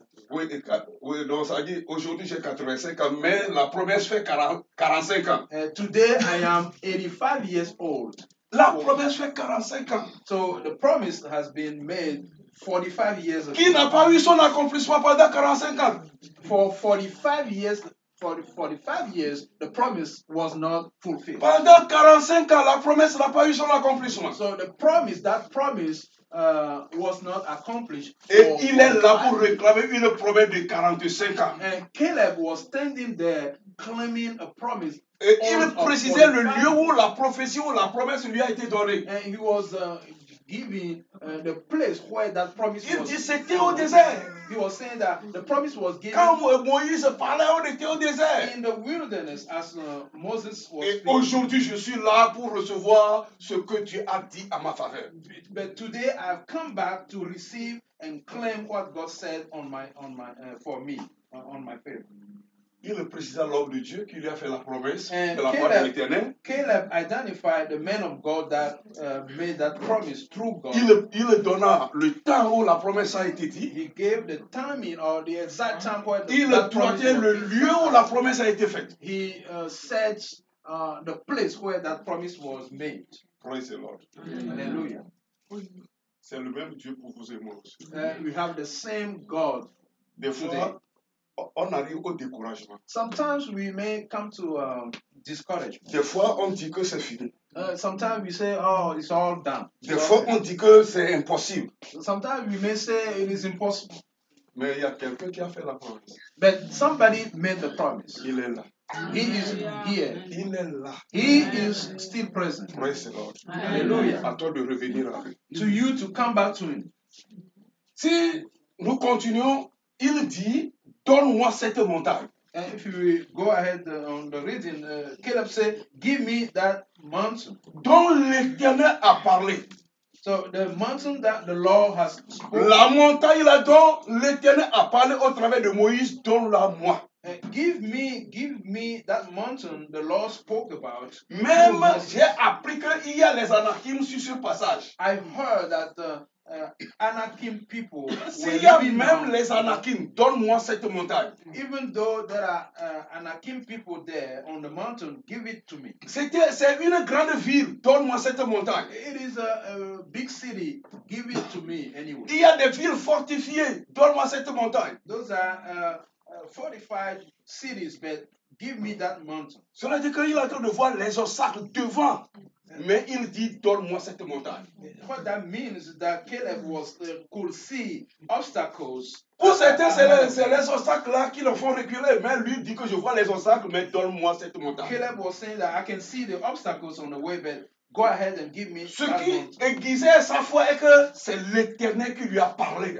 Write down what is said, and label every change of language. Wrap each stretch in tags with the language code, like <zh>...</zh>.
<fr>Oui, donc ça dit aujourd'hui j'ai 85 ans, mais la promesse fait 45 ans.</fr> <en>Today I am 85 years old.</en> <fr>La promesse fait 45 ans.</fr> <en>So the promise has been made 45 years ago.</en> <fr>Qui n'a pas eu son accomplissement pendant 45 ans?</fr> <en>For 45 years. For 45 years, the promise was not fulfilled.</en> <fr>Pendant 45 ans, la promesse n'a pas eu son accomplissement.</fr> <en>So the promise, that promise, was not accomplished.</en> <fr>Et il est là pour réclamer une promesse de 45 ans.</fr> <en>And Caleb was standing there claiming a promise.</en> <fr>Et il précisait le lieu où la prophétie ou la promesse lui a été donnée.</fr> <en>And he was giving the place where that promise</en> <fr>il</fr> <en>was.</en> <fr>Il dit c'était au désert.</fr> <en>He was saying that the promise was given.</en> <fr>Quand Moïse parlait, on était au désert.</fr> <en>In the wilderness, as Moses was.</en> <fr>Et aujourd'hui, je suis là pour recevoir ce que tu as dit à ma faveur.</fr> <en>But today I've come back to receive and claim what God said on my for me on my favor.</en> <fr>Il a précisé l'homme de Dieu qui lui a fait la promesse de la part de l'Éternel.</fr> <en>Caleb identified the man of God that made that promise through God.</en> <fr>Il donna le temps où la promesse a été dit.</fr> <en>He gave the timing or the exact time point.</en> <fr>Il trouvait le lieu où la promesse a été faite.</fr> <en>He set the place where that promise was made. Praise the Lord. Hallelujah.</en> <fr>C'est le même Dieu pour vous et moi aussi.</fr> <en>We have the same God.</en> <fr>Des fois,</fr> <en>today.</en> <fr>On arrive au découragement.</fr> <en>Sometimes we may come to discouragement.</en> <fr>Des fois, on dit que c'est fini.</fr> <en>Sometimes we say, oh, it's all done.</en> <fr>Des fois, on dit que c'est impossible.</fr> <en>Sometimes we may say it is impossible.</en> <fr>Mais il y a quelqu'un qui a fait la promesse.</fr> <en>But somebody made the promise.</en> <fr>Il est là.</fr> <en>He is here.</en> <fr>Il est là.</fr> <en>He is still present. Praise the Lord. Hallelujah.</en> <fr>À toi de revenir à lui.</fr> <en>To you to come back to him.</en> <fr>Si nous continuons, il dit, donne-moi cette montagne.</fr> <en>And if we go ahead on the reading, Caleb said, give me that mountain.</en> <fr>Dont l'Éternel a parlé.</fr> <en>So the mountain that the Lord has spoken.</en> <fr>La montagne là dont l'Éternel a parlé au travers de Moïse, donne-la moi.</fr> <en>Give me that mountain the Lord spoke about.</en> <fr>Même j'ai appris qu'il y a les Anakim sur ce passage.</fr> <en>I heard that Anakim people.</en> <fr>S'il y a même</fr> <en>now,</en> <fr>les Anakim, donne-moi cette montagne.</fr> <en>Even though there are Anakim people there on the mountain, give it to me.</en> <fr>C'est une grande ville, donne-moi cette montagne.</fr> <en>It is a big city, give it to me anyway.</en> <fr>Il y a des villes fortifiées, donne-moi cette montagne.</fr> <en>Those are fortified cities, but give me that mountain.</en> <fr>Cela dit qu'il est en train de voir les obstacles devant. Mais il dit, donne-moi cette montagne.</fr> <en>What that means is that Caleb was could see obstacles.</en> <fr>Pour certains, c'est les obstacles-là qui le font reculer. Mais lui dit que je vois les obstacles, mais donne-moi cette montagne.</fr> <en>Caleb was saying that I can see the obstacles on the way, but go ahead and give me.</en> <fr>Ce qui aiguisait sa foi est que c'est l'Éternel qui lui a parlé.</fr>